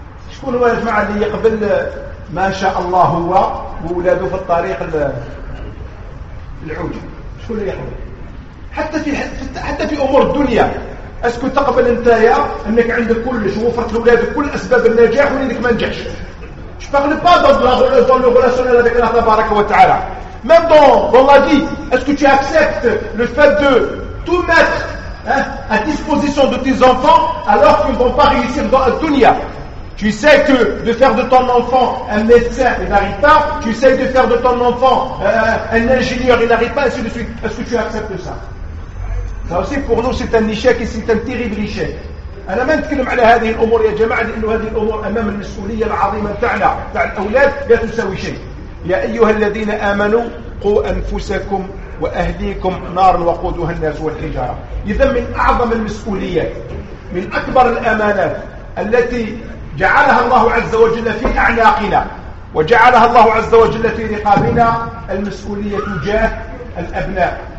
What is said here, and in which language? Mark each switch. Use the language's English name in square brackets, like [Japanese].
[Arabic] شكون هو يا جماعة اللي يقبل ما شاء الله هو وولاده في الطريق العوج؟ شكون اللي يقبل؟ حتى في أمور الدنيا، أسكو تقبل أنت يا أنك عندك كلش ووفرت لأولادك كل أسباب النجاح وإنك ما نجحش؟ [French] Je parle pas dans le relationnel avec Allah [Arabic] تبارك وتعالى. [French] Même dans la vie, est-ce que tu acceptes le fait de tout mettre à disposition de tes enfants alors qu'ils ne vont pas réussir dans la dunya? Tu sais que de faire de ton enfant un médecin, il n'arrive pas. Tu sais de faire de ton enfant un ingénieur, il n'arrive pas, ainsi de suite. Est-ce que tu acceptes ça? Ça aussi, pour nous, c'est un échec et c'est un terrible échec. [Arabic] أنا ما نتكلم على هذه الأمور يا جماعة، لأن هذه الأمور أمام المسؤولية العظيمة تاعنا تاع الأولاد لا تساوي شيء. يا أيها الذين آمنوا قوا أنفسكم وأهليكم نار وقودها الناس والحجارة. إذا من أعظم المسؤوليات، من أكبر الأمانات التي جعلها الله عز وجل في أعناقنا وجعلها الله عز وجل في رقابنا، المسؤولية تجاه الأبناء.